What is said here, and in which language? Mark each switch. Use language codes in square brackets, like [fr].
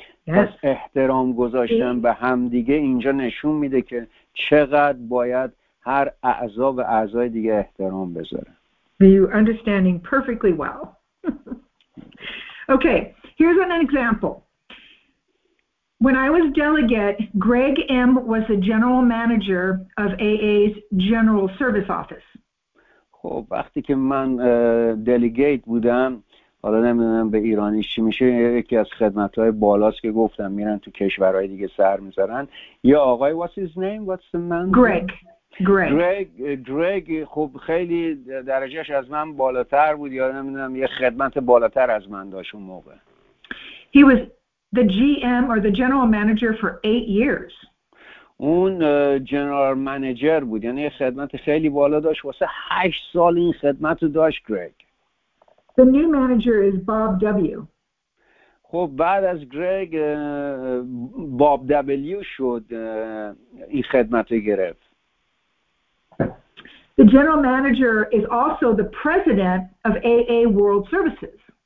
[fa] پس احترام گذاشتن به هم دیگه اینجا نشون میده که چقدر باید هر اعضا به اعضای دیگه احترام بذاره [en] You understanding perfectly well Okay Here's an example. When I was delegate, Greg M. was the general manager of AA's general service office. [fa] خب وقتی که من دلیگیت بودم حالا نمیدونم به ایرانیش چی میشه یکی از خدمتهای بالاست که گفتم میرن تو کشورهای دیگه سر میذارن یه آقای [en] Greg [fa] خب خیلی درجهش از من بالاتر بود یا نمیدونم یه خدمت بالاتر از من داشت اون موقع [en] He was the GM or the general manager for 8 years. [fa] اون general manager بود. یعنی خدمت خیلی بالا داشت. واسه 8 سال این خدمت رو داشت گریگ. [en] The new manager is Bob W. [fa] خب بعد از گریگ باب دبلیو شد این خدمت رو گرفت. [en] The general manager is also the president of AA World Services.